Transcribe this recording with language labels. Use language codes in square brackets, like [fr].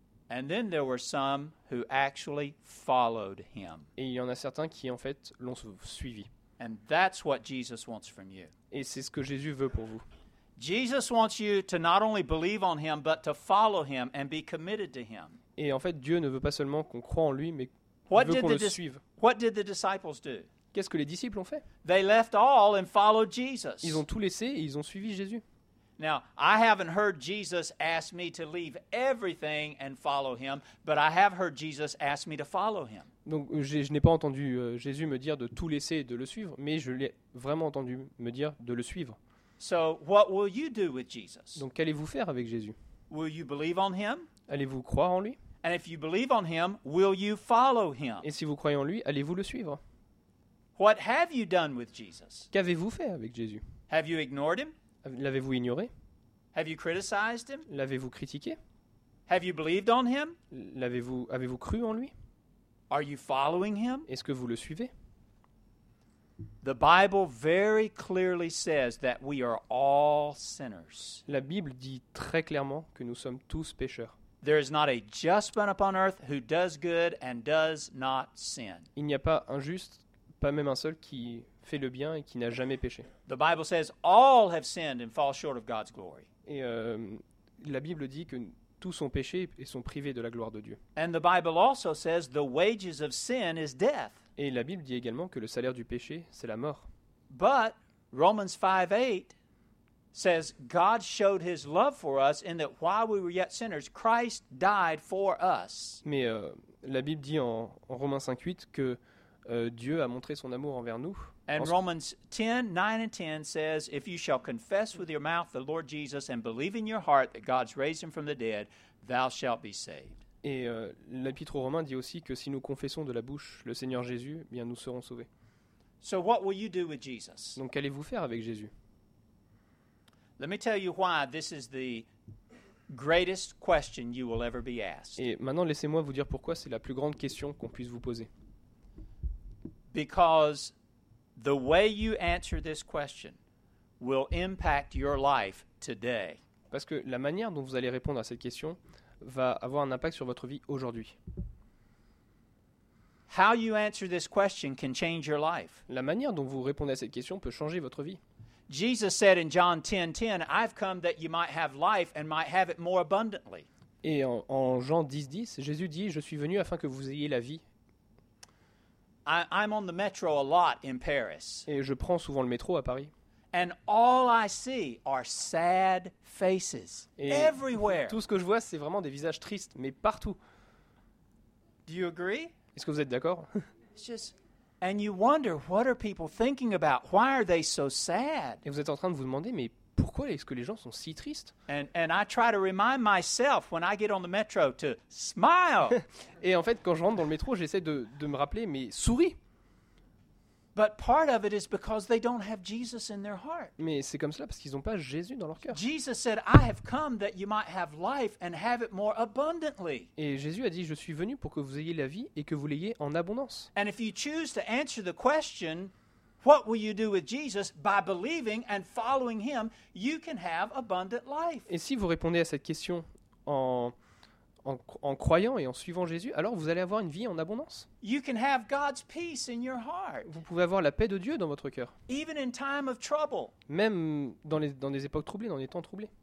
[en] And then there were some who actually followed him. [fr] Et il y en a certains qui en fait l'ont suivi. [en] And that's what Jesus wants from you. [fr] Et c'est ce que Jésus veut pour vous. [en] Jesus wants you to not only believe on him but to follow him and be committed to him. [fr] Et en fait Dieu ne veut pas seulement qu'on croie en lui mais il veut qu'on le suive. [en] What did the disciples do? [fr] Qu'est-ce que les disciples ont fait? [en] They left all and followed Jesus. [fr] Ils ont tout laissé et ils ont suivi Jésus. [en] Now, I haven't heard Jesus ask me to leave everything and follow him, but I have heard Jesus ask me to follow him. [fr] Donc, je n'ai pas entendu Jésus me dire de tout laisser et de le suivre, mais je l'ai vraiment entendu me dire de le suivre. [en] So, what will you do with Jesus? [fr] Donc, qu'allez-vous faire avec Jésus? [en] Will you believe on him? [fr] Allez-vous croire en lui? [en] And if you believe on him, will you follow him? [fr] Et si vous croyez en lui, allez-vous le suivre? [en] What have you done with Jesus? [fr] Qu'avez-vous fait avec Jésus? [en] Have you ignored him? [fr] L'avez-vous ignoré? [en] Have you criticized him? [fr] L'avez-vous critiqué? [en] Have you believed on him? [fr] Avez-vous cru en lui? [en] Are you following him? [fr] Est-ce que vous le suivez? [en] The Bible very clearly says that we are all sinners. [fr] La Bible dit très clairement que nous sommes tous pécheurs. [en] There is not a just man upon earth who does good and does not sin. [fr] Il n'y a pas un juste, pas même un seul qui fait le bien et qui n'a jamais péché. [en] The Bible says all have sinned and fall short of God's glory. [fr] Et la Bible dit que tous ont péché et sont privés de la gloire de Dieu. [en] And the Bible also says the wages of sin is death. [fr] Et la Bible dit également que le salaire du péché, c'est la mort. [en] But Romans 5:8 says God showed his love for us in that while we were yet sinners Christ died for us. [fr] Mais la Bible dit en Romains 5:8 que Dieu a montré son amour envers nous. [en] And Romans 10:9-10 says, if you shall confess with your mouth the Lord Jesus and believe in your heart that God's raised him from the dead, thou shalt be saved. [fr] Et l'épître aux Romains dit aussi que si nous confessons de la bouche le Seigneur Jésus, bien nous serons sauvés. [en] So what will you do with Jesus? [fr] Donc qu'allez-vous faire avec Jésus? [en] Let me tell you why this is the greatest question you will ever be asked. [fr] Et maintenant laissez-moi vous dire pourquoi c'est la plus grande question qu'on puisse vous poser. [en] Because the way you answer this question will impact your life today. [fr] Parce que la manière dont vous allez répondre à cette question va avoir un impact sur votre vie aujourd'hui. [en] How you answer this question can change your life. [fr] La manière dont vous répondez à cette question peut changer votre vie. [en] Jesus said in John 10:10, I've come that you might have life and might have it more abundantly. [fr] Et en Jean 10:10, Jésus dit, je suis venu afin que vous ayez la vie. [en] I'm on the metro a lot in Paris. [fr] Et je prends souvent le métro à Paris. [en] And all I see are sad faces everywhere. [fr] Tout ce que je vois, c'est vraiment des visages tristes, mais partout. [en] Do you agree? [fr] Est-ce que vous êtes d'accord? [en] And you wonder, what are people thinking about? Why are they so sad? [fr] Et vous êtes en train de vous demander, mais pourquoi est-ce que les gens sont si tristes? [en] And I try to remind myself when I get on the metro to smile. [fr] Et en fait, quand je rentre dans le métro, j'essaie de me rappeler, mais souris. [en] But part of it is because they don't have Jesus in their heart. [fr] Mais c'est comme cela parce qu'ils n'ont pas Jésus dans leur cœur. [en] Jesus said, I have come that you might have life and have it more abundantly. [fr] Et Jésus a dit, je suis venu pour que vous ayez la vie et que vous l'ayez en abondance. [en] And if you choose to answer the question, what will you do with Jesus by believing and following him, you can have abundant life. [fr] Et si vous répondez à cette question en croyant et en suivant Jésus, alors vous allez avoir une vie en abondance. [en] You can have God's peace in your heart. [fr] Vous pouvez avoir la paix de Dieu dans votre cœur. [en] Even in time of trouble. [fr] Même dans des époques troublées, dans des temps troublés.